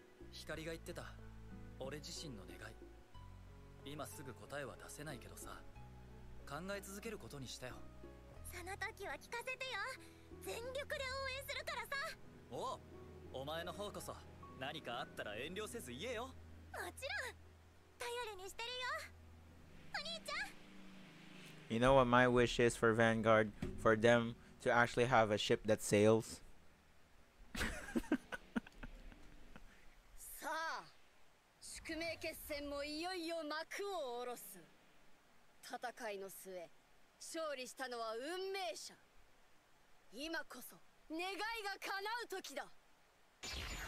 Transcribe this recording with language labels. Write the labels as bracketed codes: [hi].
[ja] 光が言ってた俺自身の願い、今すぐ答えは出せないけどさ、考え続けることにしたよ。その時は聞かせてよ。全力で応援するからさ。おう、お前の方こそ何かあったら遠慮せず言えよ。もちろん頼りにしてるよ、お兄ちゃん。 [en] You know what my wish is for Vanguard? For them to actually have a ship that sails. [ja] さあ、宿命決戦もいよいよ幕を下ろす。戦いの末、勝利したのは運命者。今こそ願いが叶う時だ。